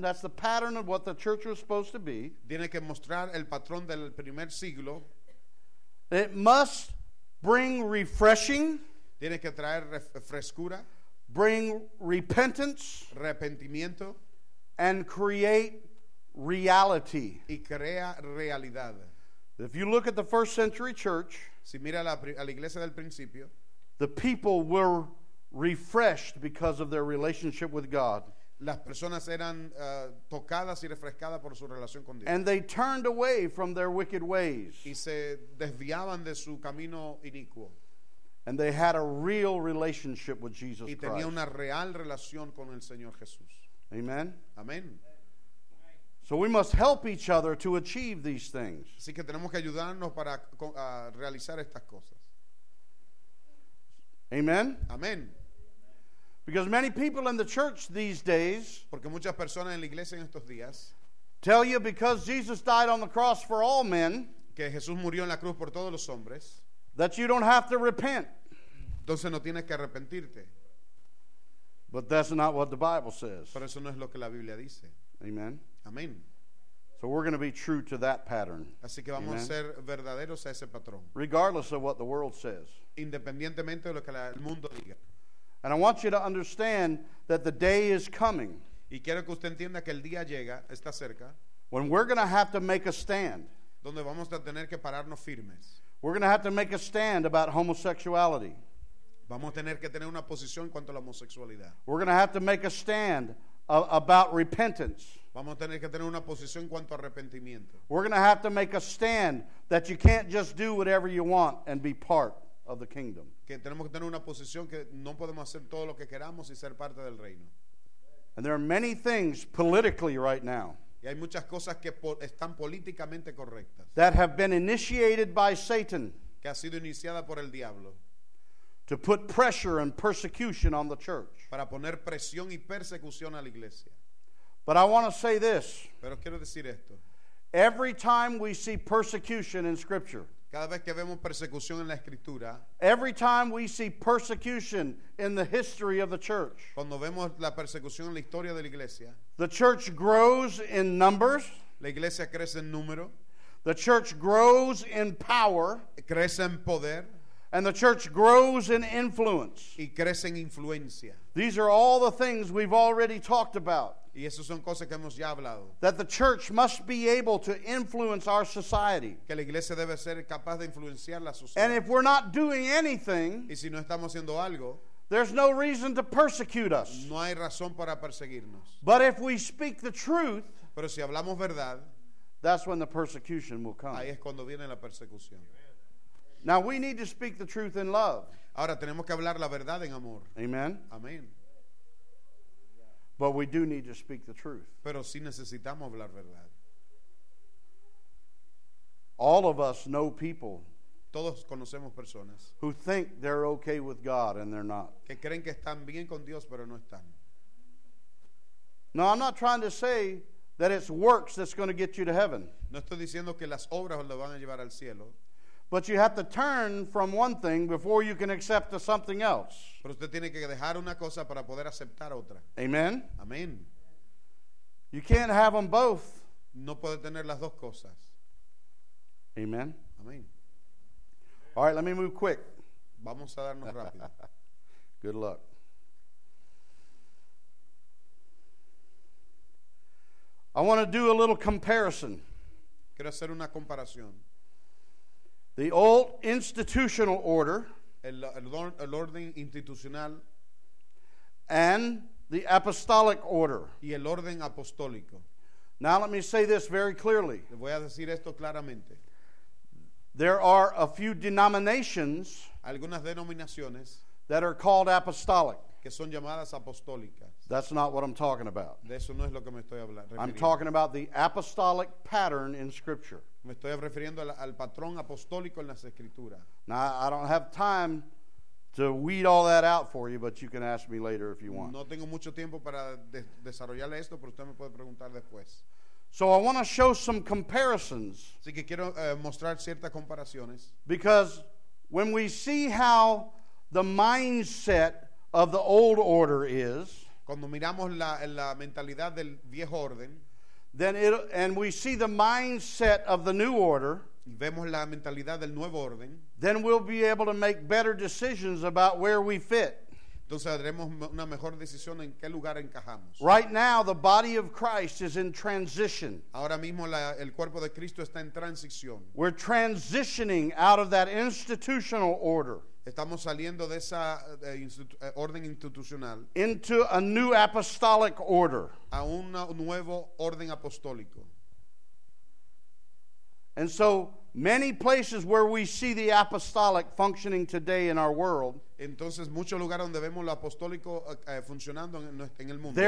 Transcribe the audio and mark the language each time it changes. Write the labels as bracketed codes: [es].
[en] That's the pattern of what the church was supposed to be. [es] Tiene que mostrar el patrón del primer siglo. [en] It must bring refreshing. [es] Tiene que traer frescura. [en] Bring repentance. [es] Arrepentimiento. [en] And create reality. [es] Y crea realidad. [en] If you look at the first century church, [es] si mira a la iglesia del principio, [en] the people were refreshed because of their relationship with God. [es] Las personas eran tocadas y refrescadas por su relación con Dios. [en] And they turned away from their wicked ways. [es] Y se desviaban de su camino inicuo. [en] And they had a real relationship with Jesus Christ. [es] Y tenía una real relación con el Señor Jesús. [en] Amen. [es] Amen. [en] So we must help each other to achieve these things. [es] Así que tenemos que ayudarnos para realizar estas cosas. [en] Amen. [es] Amen. [en] Because many people in the church these days, [es] porque muchas personas en la iglesia en estos días, [en] tell you because Jesus died on the cross for all men, [es] que Jesús murió en la cruz por todos los hombres, [en] that you don't have to repent. [es] Entonces no tienes que arrepentirte. [en] But that's not what the Bible says. [es] Pero eso no es lo que la Biblia dice. [en] Amen. [es] Amen. [en] So we're going to be true to that pattern. [es] Así que vamos a ser verdaderos a ese patrón. [en] Regardless of what the world says. [es] Independientemente de lo que el mundo diga. [en] And I want you to understand that the day is coming. [es] Y quiero que usted entienda que el día llega, está cerca. [en] When we're going to have to make a stand. [es] Donde vamos a tener que pararnos firmes. [en] We're going to have to make a stand about homosexuality. [es] Vamos a tener que tener una posición en cuanto a la homosexualidad. [en] We're going to have to make a stand about repentance. [es] Vamos a tener que tener una posición en cuanto a arrepentimiento. [en] We're going to have to make a stand that you can't just do whatever you want and be part of the kingdom. [es] Que tenemos que tener una posición que no podemos hacer todo lo que queramos y ser parte del reino. [en] And there are many things politically right now. [es] Y hay muchas cosas que están políticamente correctas. [en] That have been initiated by Satan. [es] Que ha sido iniciada por el diablo. [en] To put pressure and persecution on the church. [es] Para poner presión y persecución a la iglesia. [en] But I want to say this. [es] Pero quiero decir esto. [en] Every time we see persecution in Scripture. [es] Cada vez que vemos persecución en la Escritura. [en] Every time we see persecution in the history of the church. [es] Cuando vemos la persecución en la historia de la iglesia. [en] The church grows in numbers. [es] La iglesia crece en número. [en] The church grows in power. [es] Crece en poder. [en] And the church grows in influence. [es] Y crece en influencia. [en] These are all the things we've already talked about. [es] Y esas son cosas que hemos ya hablado. [en] That the church must be able to influence our society. [es] Que la iglesia debe ser capaz de influenciar la sociedad. [en] And if we're not doing anything, [es] y si no estamos haciendo algo, [en] there's no reason to persecute us. [es] No hay razón para perseguirnos. [en] But if we speak the truth, [es] pero si hablamos verdad, [en] that's when the persecution will come. [es] Ahí es cuando viene la persecución. [en] Now we need to speak the truth in love. [es] Ahora tenemos que hablar la verdad en amor. [en] Amen. [es] Amen. [en] But we do need to speak the truth. [es] Pero sí necesitamos hablar verdad. [en] All of us know people. [es] Todos conocemos personas. [en] Who think they're okay with God and they're not. [es] Que creen que están bien con Dios pero no están. [en] No, I'm not trying to say that it's works that's going to get you to heaven. [es] No estoy diciendo que las obras lo van a llevar al cielo. [en] But you have to turn from one thing before you can accept to something else. [es] Pero usted tiene que dejar una cosa para poder aceptar otra. [en] Amen. [es] Amen. [en] You can't have them both. [es] No puede tener las dos cosas. [en] Amen. [es] Amen. [en] All right, let me move quick. [es] Vamos a darnos rápido. [en] Good luck. I want to do a little comparison. [es] Quiero hacer una comparación. [en] The old institutional order, [es] el orden institucional, [en] and the apostolic order, [es] y el orden apostólico. [en] Now let me say this very clearly. [es] Voy a decir esto claramente. [en] There are a few denominations, [es] algunas denominaciones, [en] that are called apostolic, [es] que son llamadas apostólicas. [en] That's not what I'm talking about. [es] De eso no es lo que me estoy hablando. [en] I'm talking about the apostolic pattern in Scripture. [es] Me estoy refiriendo al patrón apostólico en las Escrituras. [en] Now, I don't have time to weed all that out for you, but you can ask me later if you want. [es] No tengo mucho tiempo para desarrollar esto, pero usted me puede preguntar después. [en] So I want to show some comparisons. [es] Así que quiero mostrar ciertas comparaciones. [en] Because when we see how the mindset of the old order is, [es] cuando miramos la mentalidad del viejo orden, [en] then it, and we see the mindset of the new order, [es] vemos la mentalidad del nuevo orden, [en] then we'll be able to make better decisions about where we fit. [es] Entonces haremos una mejor decisión en qué lugar encajamos. [en] Right now the body of Christ is in transition. [es] Ahora mismo el cuerpo de Cristo está en transición. [en] We're transitioning out of that institutional order. [es] Estamos saliendo de esa orden institucional. [en] Into a new apostolic order. [es] A un nuevo orden apostólico. [en] And so many places where we see the apostolic functioning today in our world. [es] Entonces muchos lugares donde vemos lo apostólico funcionando en el mundo.